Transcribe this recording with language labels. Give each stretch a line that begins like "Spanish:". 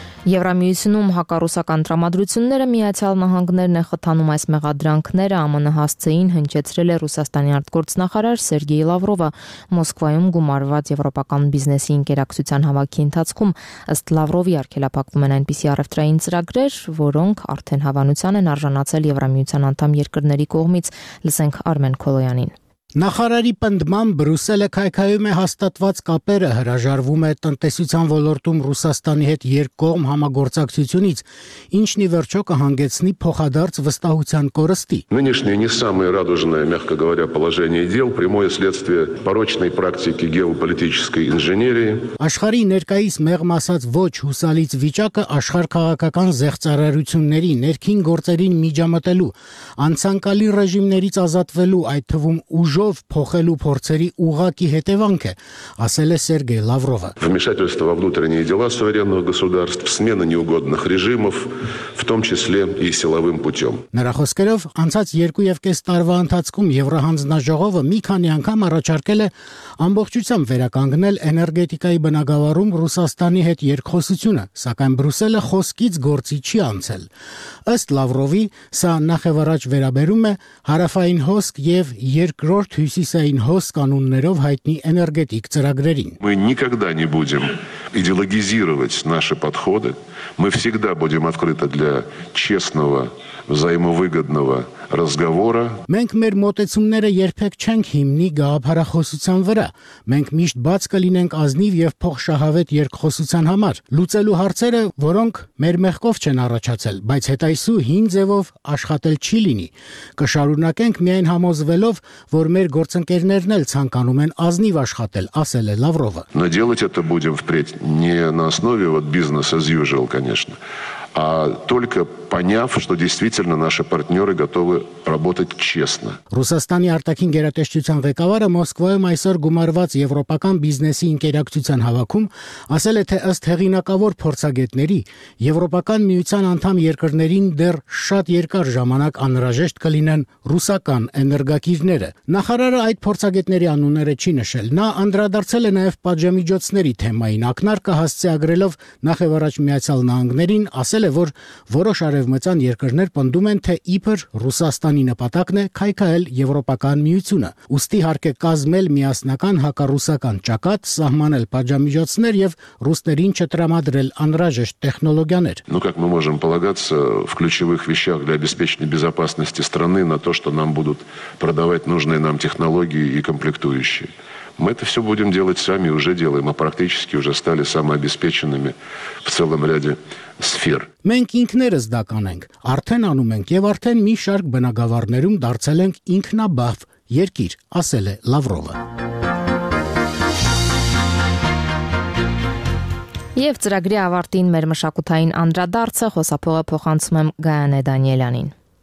Armenian: Եվրամիությունում հակառուսական տրամադրությունները Միացյալ Նահանգներն է խթանում այս մեղադրանքները, ԱՄՆ հասցեին հնչեցրել է Ռուսաստանի արտգործնախարար Սերգեյ Լավրովը Մոսկվայում գումարված Եվրոպական բիզնեսի ինտերակցիան հավաքի ընթացքում։ Ըստ Լավրովի, արգելափակվում են այնպիսի առևտրային ծրագրեր, որոնք արդեն հավանության են արժանացել Եվրամիության անդամ երկրների կողմից։ Լսենք Արմեն Քոլոյանին։ Նախարարի պնդմամբ Բրյուսելը քայքայում է հաստատված կապերը, հրաժարվում է տնտեսության ոլորտում Ռուսաստանի հետ երկկողմ համագործակցությունից, ինչն ի վերջո կհանգեցնի փոխադարձ վստահության կորստի։
Russian: Нынешнее не самое радужное, мягко говоря, положение дел прямое следствие порочной практики геополитической инженерии.
Armenian: Աշխարհի ներկայիս մեղմ ասած ոչ հուսալից վիճակը աշխարհ քաղաքական զեղծարարությունների ներքին գործերին միջամտելու, անցանկալի ռեժիմներից ազատվելու, այդ թվում ուժով փոխելու փորձերի ուղակի հետևանք է, ասել է Սերգեյ Լավրովը։
Russian: Вмешательство во внутренние дела суверенных государств, смена неугодных режимов, в том числе и силовым путём։
Armenian: Նրա խոսքերով, անցած 2.5 տարվա ընթացքում Եվրահանձնաժողովը մի քանի անգամ առաջարկել է ամբողջությամբ վերականգնել էներգետիկայի բնագավառում Ռուսաստանի հետ երկխոսությունը, սակայն Բրյուսելը խոսքից գործի չի անցել։ Ըստ Լավրովի, սա նախևառաջ վերաբերում է հարավային հոսք եւ երկրորդ հյուսիսային հոսք անուններով հայտնի էներգետիկ ծրագրերին։
Russian: Мы никогда не будем идеологизировать наши подходы. Мы всегда будем открыты для честного, взаимовыгодного разговора.
Armenian: Մենք մեր մտածումները երբեք չենք հիմնի գաղափարախոսության վրա։ Մենք միշտ բաց կլինենք ազնիվ եւ փոխշահավետ երկխոսության համար, լուծելու հարցերը, որոնք մեր մեղքով չեն առաջացել, բայց հետայսու հին ձևով աշխատել չի լինի։ Կշարունակենք միայն համոզվելով, որ մեր գործընկերներն էլ ցանկանում են ազնիվ աշխատել, ասել է Լավրովը։
Russian: Но делать это будем впредь не на основе вот
English: business as usual,
Russian: конечно, а только поняв, что действительно наши партнёры готовы работать честно.
Armenian: Ռուսաստանի արտաքին գերատեսչության ղեկավարը Մոսկվայում այսօր գումարված Եվրոպական բիզնեսի ինտերակցիան հավաքում, ասել է, թե ըստ հեղինակավոր փորձագետների, Եվրոպական միության անդամ երկրներին դեռ շատ երկար ժամանակ անհրաժեշտ կլինեն ռուսական էներգակիրները։ Նախարարը այդ փորձագետների անունները չի նշել, նա անդրադարձել է նաև պատժամիջոցների թեմային, ակնարկը հասցեագրելով նախևառաջ Միացյալ Նահանգներին, ասել է, որ որոշ Արևմտյան երկրներ պնդում են, թե իբր Ռուսաստանի նպատակն է քայքայել Եվրոպական միությունը, ուստի հարկ է կազմել միասնական հակառուսական ճակատ, սահմանել պատժամիջոցներ եւ ռուսներին չտրամադրել անհրաժեշտ տեխնոլոգիաներ։
Russian: Ну как мы можем полагаться в ключевых вещах для обеспечения безопасности страны на то, что нам будут продавать нужные нам технологии и комплектующие. Мы это всё будем делать сами, уже делаем, а практически уже стали самообеспеченными в целом ряде сфер.
Armenian: Մենք ինքներս դա կանենք, արդեն անում ենք եւ արդեն մի շարք բնագավառներում դարձել ենք ինքնաբավ երկիր, ասել է Լավրովը։ Եվ ծրագրի ավարտին մեր մշակութային անդրադարձը խոսափողը փոխանցում եմ Գայանե Դանիելյանին։